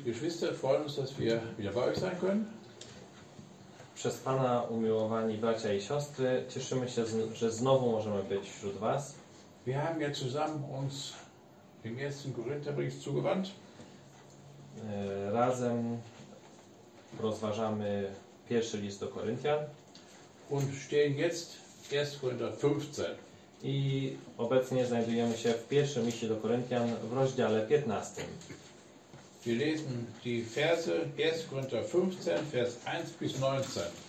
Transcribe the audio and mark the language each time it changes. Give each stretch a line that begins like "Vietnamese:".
German: Geschwister, freuen uns, dass wir wieder bei euch sein können.
Polish: Przez Pana, umiłowani bracia i siostry, cieszymy się, że znowu możemy być wśród was.
German: Wir haben ja zusammen uns dem ersten Korintherbrief zugewandt.
Polish: Razem rozważamy pierwszy list do Koryntian.
German: Und stehen jetzt 1. Korinther 15.
Polish: I obecnie znajdujemy się w pierwszym liście do Koryntian w rozdziale 15.
German: Wir lesen die Verse 1. Korinther 15, Vers 1 bis 19.